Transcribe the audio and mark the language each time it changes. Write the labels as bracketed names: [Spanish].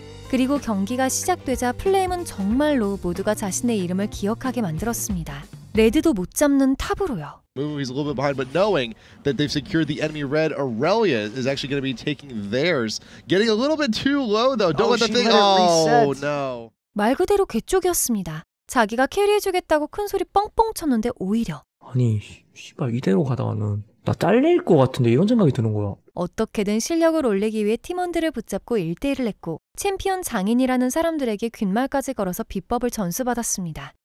[Korean] 그리고 경기가 시작되자 플레임은 정말로 모두가 자신의 이름을 기억하게 만들었습니다. 레드도 못 잡는 탑으로요. [English] Move is a little bit behind, but knowing that they've secured the enemy red, Aurelia is actually going to be taking theirs. Getting a little bit too low though. Don't let the thing reset. No. [Korean] 말 그대로 개쪽이었습니다. 자기가 캐리해주겠다고 큰 소리 뻥뻥 쳤는데 오히려 아니 씨발 이대로 가다가는 나 잘릴 것 같은데 이런 생각이 드는 거야. 어떻게든 실력을 올리기 위해 팀원들을 붙잡고 1대1을 했고 챔피언 장인이라는 사람들에게 귓말까지 걸어서 비법을 전수받았습니다.